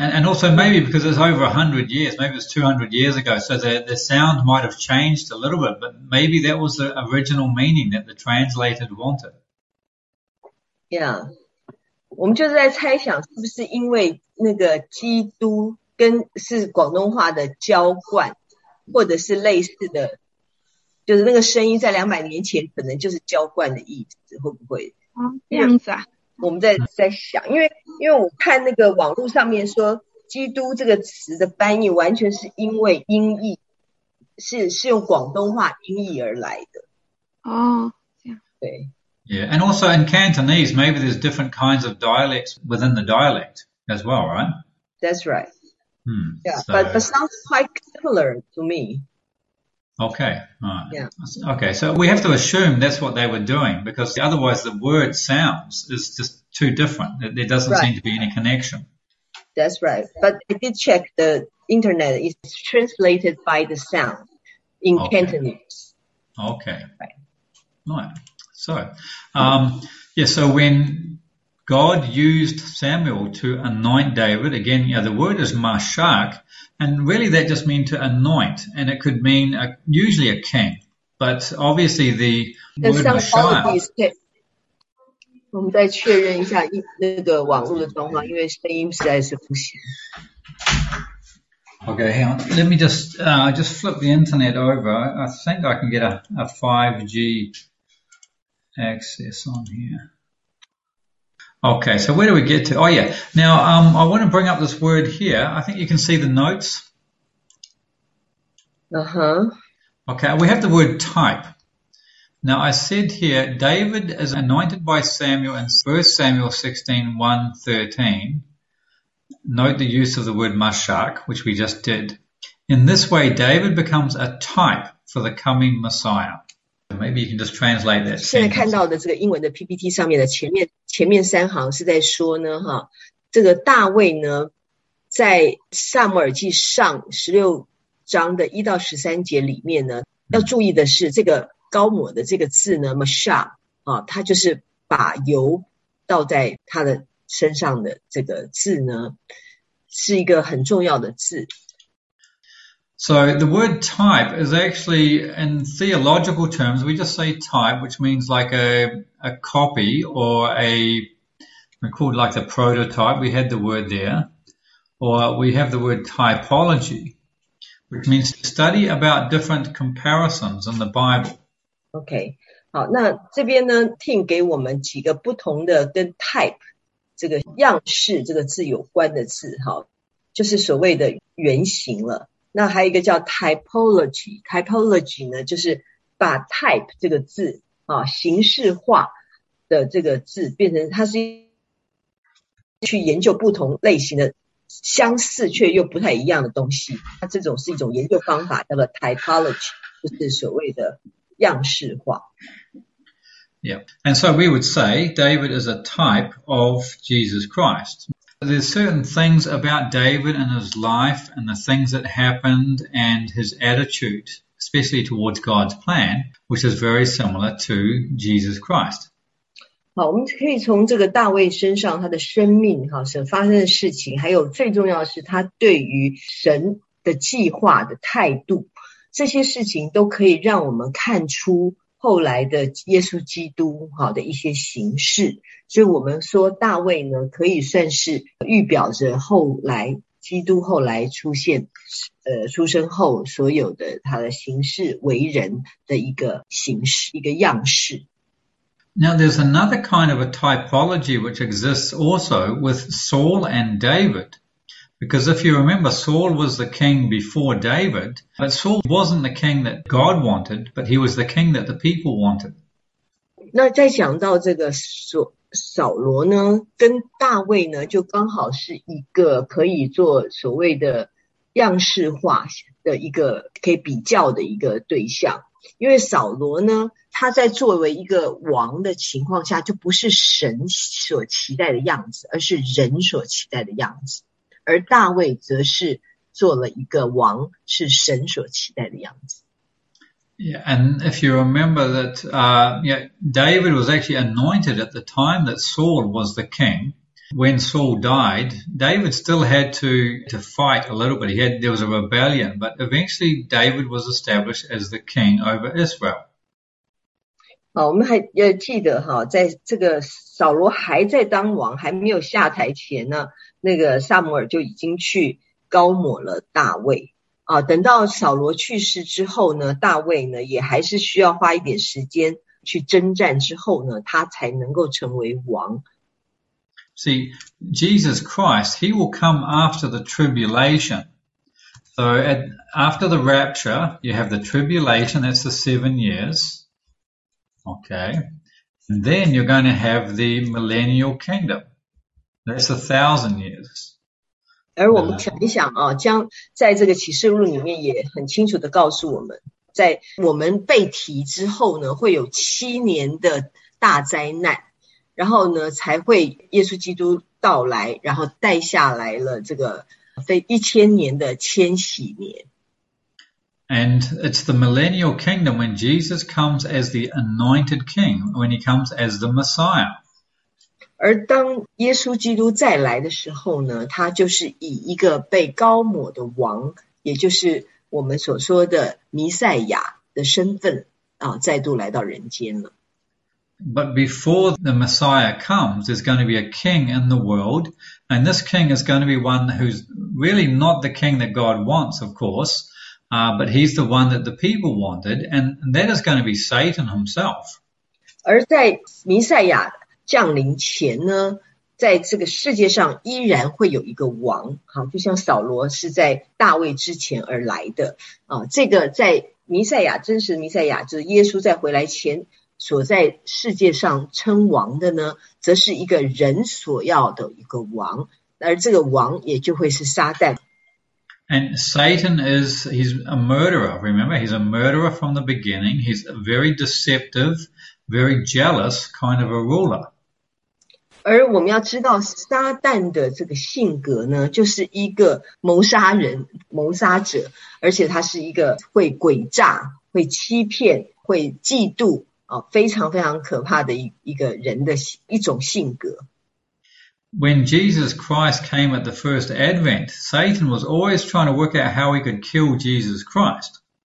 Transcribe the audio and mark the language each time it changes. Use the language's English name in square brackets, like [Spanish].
[English] And also maybe because it's over 100 years, maybe it's 200 years ago, so the sound might have changed a little bit, but maybe that was the original meaning that the translator wanted. Yeah. [Chinese] 我们就是在猜想是不是因为那个基督跟是广东话的浇灌或者是类似的就是那个声音在200年前可能就是浇灌的意思会不会、啊、这样子啊。我们在想，因为我看那个网络上面说，基督这个词的翻译完全是因为音译，是用广东话音译而来的。哦，对。 [English] Yeah, and also in Cantonese, maybe there's different kinds of dialects within the dialect as well, right? That's right. Hmm. Yeah, so, but sounds quite similar to me. Okay. Right. Yeah. Okay. So we have to assume that's what they were doing because otherwise the word sounds is just too different. There doesn't、 right. seem to be any connection. That's right. But I did check the internet. It's translated by the sound in、 okay. Cantonese. Okay. Right. Right. So, yeah, so when God used Samuel to anoint David, again, you know, the word is mashak, and really that just means to anoint, and it could mean usually a king, but obviously the word mashak. [Chinese] 我们再确认一下那个网络的状况，因为声音实在是不行。 [English] Okay, hang on. Let me just flip the internet over. I think I can get a 5G access on here. Okay, so where do we get to? Oh, yeah. Now, I want to bring up this word here. I think you can see the notes. Uh-huh. Okay, we have the word type. Now, I said here, David is anointed by Samuel in 1 Samuel 16:1-13. Note the use of the word mashak, which we just did. In this way, David becomes a type for the coming Messiah. Maybe you can just translate that. [Chinese] 现在看到的这个英文的 PPT 上面的前面三行是在说呢，哈，这个大卫呢，在撒母耳记上16:1-13里面呢，要注意的是这个高抹的这个字呢 ，mashah 啊，它就是把油倒在他的身上的这个字呢，是一个很重要的字。 [English] So the word type is actually, in theological terms, we just say type, which means like a copy or we call it like the prototype. We had the word there. Or we have the word typology, which means to study about different comparisons in the Bible. Okay. [Chinese] 好，那这边呢，听给我们几个不同的跟 type 这个样式这个字有关的字，好，就是所谓的原型了。那还有一个叫 typology 呢，就是把 type 这个字啊，形式化的这个字变成它是去研究不同类型的相似却又不太一样的东西，那这种是一种研究方法叫做 typology， 就是所谓的样式化。 [English] Yeah, and so we would say David is a type of Jesus Christ. There's certain things about David and his life and the things that happened and his attitude, especially towards God's plan, which is very similar to Jesus Christ. [Chinese] 好，我们可以从这个大卫身上他的生命哈所发生的事情，还有最重要的是他对于神的计划的态度，这些事情都可以让我们看出后来的耶稣基督好的一些形式。所以我们说大卫呢可以算是预表着后来基督后来出现出生后所有的他的形式为人的一个形式一个样式。 [English] Now there's another kind of a typology which exists also with Saul and David. Because if you remember, Saul was the king before David, but Saul wasn't the king that God wanted, but he was the king that the people wanted. [Chinese] 那再讲到这个扫罗呢，跟大卫呢，就刚好是一个可以做所谓的样式化的一个可以比较的一个对象。因为扫罗呢，他在作为一个王的情况下，就不是神所期待的样子，而是人所期待的样子。而大卫则是做了一个王，是神所期待的样子。 [English] Yeah, and if you remember that, David was actually anointed at the time that Saul was the king. When Saul died, David still had to fight a little bit. There was a rebellion, but eventually David was established as the king over Israel. [Chinese] 好，我们还要记得哈，在这个扫罗还在当王，还没有下台前呢，那个撒母耳就已经去高抹了大卫。啊，等到扫罗去世之后呢，大卫呢也还是需要花一点时间去征战之后呢，他才能够成为王。 [English] See, Jesus Christ, he will come after the tribulation. So after the rapture, you have the tribulation, that's the 7 years. Okay. And then you're going to have the millennial kingdom. That's 1,000 years. [Chinese] 而我们想一想啊，将在这个启示录里面也很清楚的告诉我们，在我们被提之后呢，会有7年的大灾难。然后呢，才会耶稣基督到来，然后带下来了这个非1000年的千禧年。 [English] And it's the millennial kingdom when Jesus comes as the anointed king, when he comes as the Messiah. [Chinese] 而当耶稣基督再来的时候呢，他就是以一个被高抹的王，也就是我们所说的弥赛亚的身份啊，再度来到人间了。 [English] But before the Messiah comes, there's going to be a king in the world, and this king is going to be one who's really not the king that God wants, of course, but he's the one that the people wanted, and that is going to be Satan himself. [Chinese] 而在弥赛亚降临前呢，在这个世界上依然会有一个王，好，就像扫罗是在大卫之前而来的，啊，这个在弥赛亚，真实的弥赛亚，就是耶稣再回来前所在世界上称王的呢，则是一个人所要的一个王，而这个王也就会是撒旦。 [English] And Satan is, he's a murderer, remember? He's a murderer from the beginning. He's a very deceptive, very jealous kind of a ruler. [Chinese] 而我们要知道撒旦的这个性格呢，就是一个谋杀人，谋杀者，而且他是一个会诡诈，会欺骗，会嫉妒。非常非常可怕的一个人的一种性格。 [English] When Jesus Christ came at the first advent, Satan was always trying to work out how he could kill Jesus Christ.